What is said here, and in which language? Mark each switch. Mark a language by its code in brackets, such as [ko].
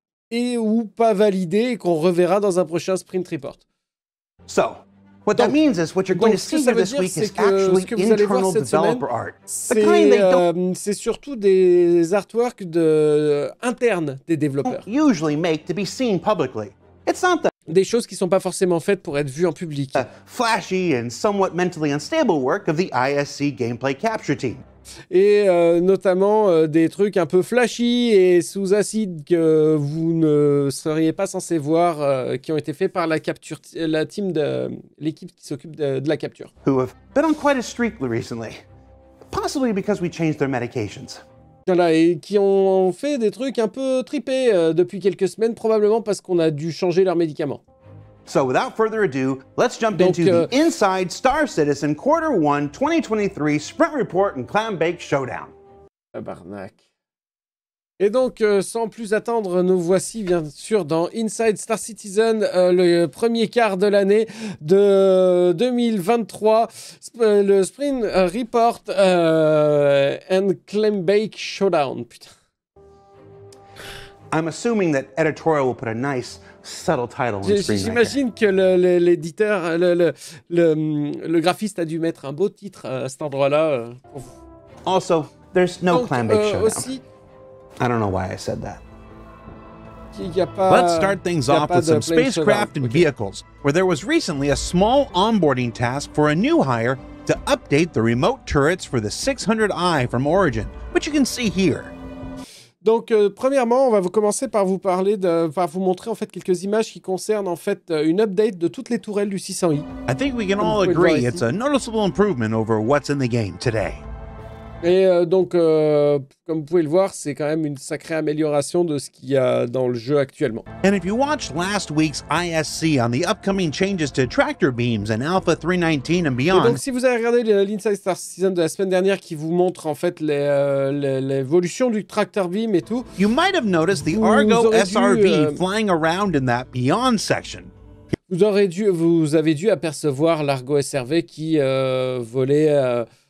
[fr] et ou pas validé et qu'on reverra dans un prochain Sprint Report. [en] So, what that means is what you're going to see here this week is actually internal developer art. [fr] C'est surtout des artworks de internes des développeurs. [en] Usually make to be seen publicly. It's not that. [fr] Des choses qui sont pas forcément faites pour être vues en public. [en] Flashy and somewhat mentally unstable work of the ISC gameplay capture team. [fr] Et notamment des trucs un peu flashy et sous acide que vous ne seriez pas censé voir, qui ont été faits par la capture, la team de l'équipe qui s'occupe de la capture. [en] Who have been on quite a streak recently, possibly because we changed their medications. [fr] Voilà, et qui ont fait des trucs un peu trippés depuis quelques semaines, probablement parce qu'on a dû changer leurs médicaments. [en] So without further ado, let's jump into the Inside Star Citizen Quarter 1 2023 Sprint Report and Clambake Showdown. [fr] Tabarnak. Et donc, sans plus attendre, nous voici bien sûr dans Inside Star Citizen, le premier quart de l'année de 2023, le Sprint Report and Clambake Showdown. Putain. [en] I'm assuming that editorial will put a nice subtle title on screen. [fr] J'imagine que l'éditeur, le graphiste a dû mettre un beau titre à cet endroit-là. [en] Also, there's no Clambake Showdown. Aussi, I don't know why I said that. Let's start things off with some spacecraft and vehicles, where there was recently a small onboarding task for a new hire to update the remote turrets for the 600i from Origin, which you can see here. [fr] Donc, premièrement, on va vous commencer par vous parler de, par vous montrer en fait quelques images qui concernent en fait une update de toutes les tourelles du 600i. [en] I think we can all agree it's a noticeable improvement over what's in the game today. [fr] Et donc, comme vous pouvez le voir, c'est quand même une sacrée amélioration de ce qu'il y a dans le jeu actuellement. [en] And if you watched last week's ISC on the upcoming changes to tractor beams and Alpha 319 and beyond. [fr] Et donc, si vous avez regardé l'Inside Star Season de la semaine dernière qui vous montre en fait l'évolution du tractor beam et tout, [en] you might have noticed the Argo SRV flying around in that beyond section. [fr] Vous avez dû apercevoir l'Argo SRV qui volait.